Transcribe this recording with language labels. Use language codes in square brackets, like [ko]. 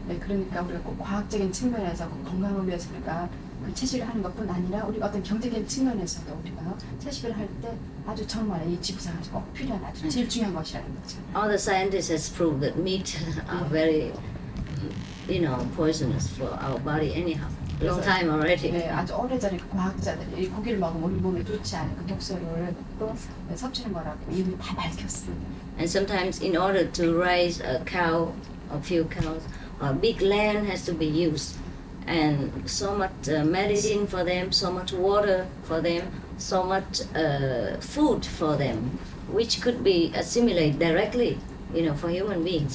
[en] All the scientists have proved that meat are very, you know, poisonous for our body anyhow. Long time already. [ko] 네, 아주 오래전에 과학자들이 고기를 먹으면 우리 몸에 좋지 않은 그 독소를 또 섭취하는 거라고 이미 다 밝혔습니다. [en] And sometimes in order to raise a cow, a few cows, big land has to be used, and so much medicine for them, so much water for them, so much food for them, which could be assimilated directly, you know, for human beings.